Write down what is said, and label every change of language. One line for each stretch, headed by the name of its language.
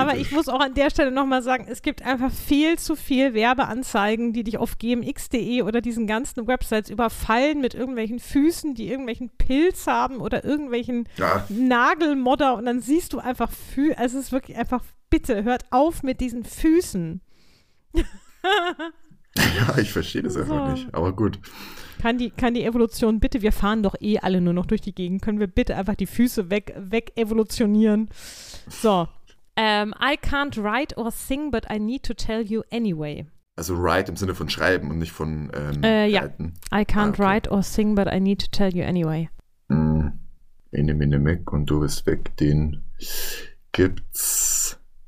German: Aber ich muss auch an der Stelle nochmal sagen, es gibt einfach viel zu viel Werbeanzeigen, die dich auf gmx.de oder diesen ganzen Websites überfallen mit irgendwelchen Füßen, die irgendwelchen Pilz haben oder irgendwelchen Nagelmodder und dann siehst du einfach, es ist wirklich einfach. Bitte hört auf mit diesen Füßen. Ja, ich verstehe das einfach nicht, aber gut. Kann die Evolution bitte, wir fahren doch eh alle nur noch durch die Gegend, können wir bitte einfach die Füße weg evolutionieren? So.
English: I can't write or sing, but I need to tell you anyway.
German: Also write im Sinne von schreiben und nicht von reiten. Ja.
English: I can't write or sing, but I need to tell you anyway.
German: Inne, Mac und du bist weg, den gibt's.